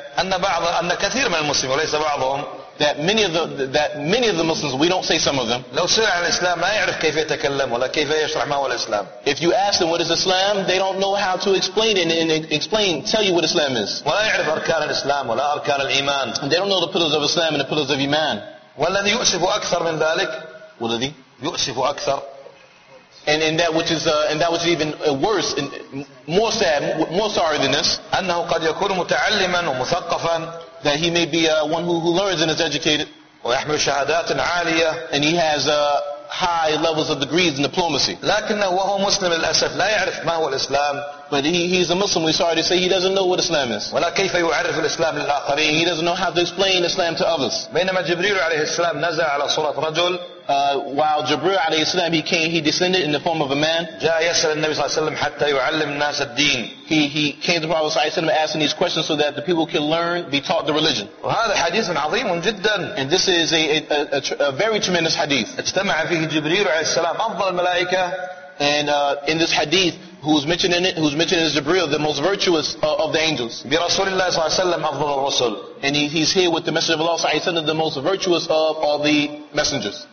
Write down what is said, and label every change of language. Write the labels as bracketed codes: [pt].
[ar] أن كثير من المسلمين وليس بعضهم. [en] That many of the Muslims, we don't say some of them. [ar] لو سئل عن الإسلام ما يعرف كيف يتكلم ولا كيف يشرح ما هو الإسلام. [en] If you ask them what is Islam, they don't know how to explain it and explain, tell you what Islam is. [ar] ولا يعرف أركان الإسلام ولا أركان الإيمان. [en] They don't know the pillars of Islam and the pillars of Iman. [ar] والذي يؤسف أكثر من ذلك. والذي يؤسف أكثر. [en] And in that which is even worse and more sad, more sorry than this, [ar] أنه قد يكون متعلما ومثقفا, [en] that he may be one who learns and is educated, [ar] ويحمل شهادات عالية, [en] and he has high levels of degrees in diplomacy. [ar] لكنه وهو مسلم للأسف لا يعرف ما هو الإسلام. [en] But he's a Muslim. We're sorry to say he doesn't know what Islam is. [ar] ولا كيف يعرف الإسلام للآخرين. [en] He doesn't know how to explain Islam to others. [ar] بينما جبريل عليه السلام نزل على صورة رجل. [en] While Jibril [ar] عليه السلام, [en] he descended in the form of a man. [ar] جاء يسأل النبي صلى الله عليه وسلم حتى يعلم الناس الدين. [en] He came to the Prophet [ar] صلى الله عليه وسلم [en] asking these questions so that the people can learn, be taught the religion. [ar] وهذا حديث عظيم جدا. [en] And this is a very tremendous hadith. [ar] اجتمع فيه جبريل عليه السلام أفضل الملائكة. [en] And in this hadith, who's mentioned in it, who's mentioned as Jibril, the most virtuous of the angels. [ar] برسول الله صلى الله عليه وسلم أفضل الرسل. [en] And he's here with the Messenger of Allah [ar] صلى الله عليه وسلم, [en] the most virtuous of all the messengers.